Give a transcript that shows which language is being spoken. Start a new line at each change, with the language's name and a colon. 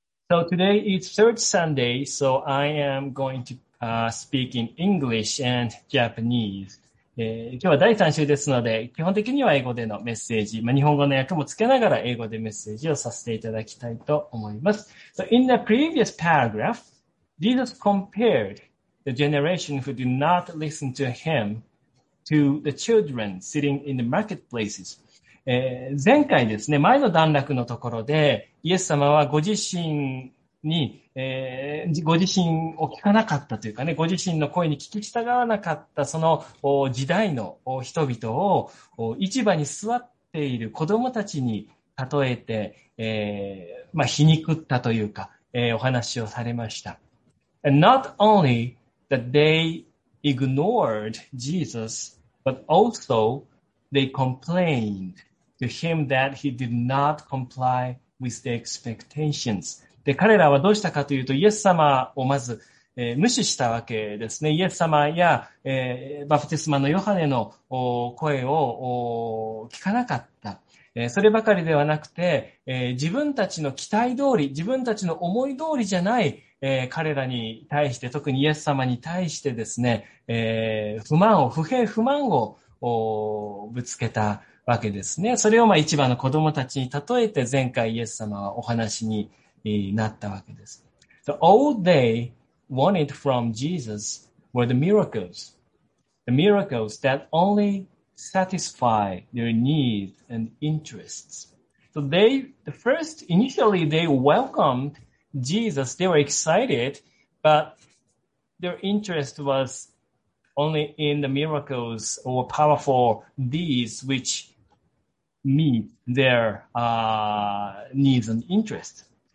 English: So today is Third Sunday, so I am going to speak in English and Japanese.
Japanese: 今日は第3週ですので、基本的には英語でのメッセージ、日本語の訳もつけながら英語でメッセージをさせていただきたいと思います。
English: So in the previous paragraph, Jesus compared the generation who did not listen to him to the children sitting in the marketplaces.
Japanese: 前回ですね、前の段落のところで、イエス様はご自身に、ご自身を聞かなかったというかね、ご自身の声に聞き従わなかった、その時代の人々を、市場に座っている子供たちに例えて、皮肉ったというか、お話をされました。
English: And not only that they ignored Jesus, but also they complained. To him that he did not comply with the expectations.
Japanese: で、彼らはどうしたかというと、イエス様をまず、無視したわけですね。イエス様や、バプテスマのヨハネの声を聞かなかった。そればかりではなくて、自分たちの期待通り、自分たちの思い通りじゃない、彼らに対して、特にイエス様に対してですね、不満を、不平不満をぶつけた。わけですね。それを市場の子供たちに例えて前回イエス様はお話になったわけです。
English: So all they wanted from Jesus were the miracles. The miracles that only satisfy their needs and interests. So they, the first, initially they welcomed Jesus. They were excited, but their interest was only in the miracles or powerful deeds whichmeet their, needs and interests.